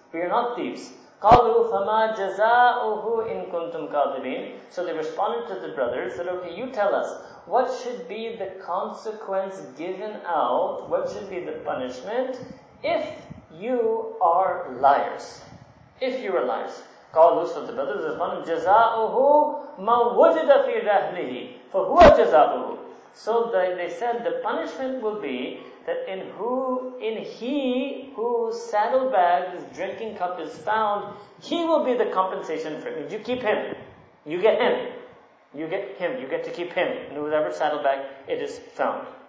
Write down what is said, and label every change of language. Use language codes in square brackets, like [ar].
[en] We are not thieves. [ar] قَالُوا فَمَا جَزَاؤُهُ إِن كُنْتُمْ كَاذِبِينَ. [en] So they responded to the brothers, that okay, you tell us, what should be the consequence given out, what should be the punishment, if you are liars. If you are liars. [ar] قَالُوا, [en] so the brothers responded, [ar] جَزَاؤُهُ مَا وُجِدَ فِي رَهْلِهِ. فَهُوَ جَزَاؤُهُ. [en] So they said the punishment will be that in whose saddlebag this drinking cup is found, he will be the compensation for it. You keep him. You get him. You get him. You get to keep him. In whatever saddlebag it is found.